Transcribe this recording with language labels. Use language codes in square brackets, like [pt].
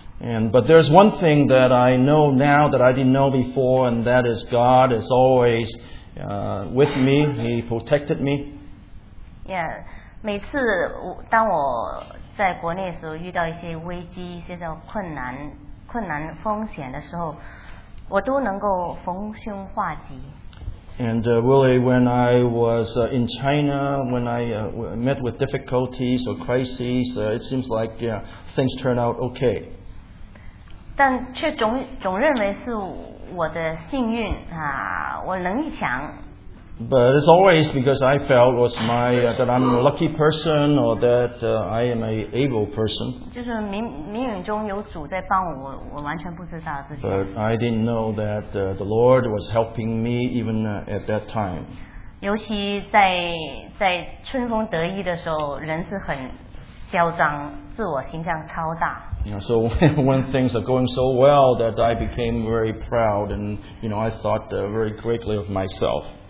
[en] But there's one thing that I know now that I didn't know before, and that is God is always with me. He protected me. [zh] Yeah, 每次当我在国内的时候遇到一些危机、一些的困难、风险的时候，我都能够逢凶化吉。 [en] And really, when I was in China, when I met with difficulties or crises, it seems like things turned out okay. [zh] 但却总认为是我的幸运啊，我能力强。 [en] But it's always because I felt was my that I'm a lucky person or that I am a able person. [zh] 就是冥冥中有主在帮我，我完全不知道自己。 [en] But I didn't know that the Lord was helping me even at that time. [zh] 尤其在春风得意的时候，人是很嚣张，自我形象超大。 [en] So when things are going so well, that I became very proud and you know I thought very greatly of myself.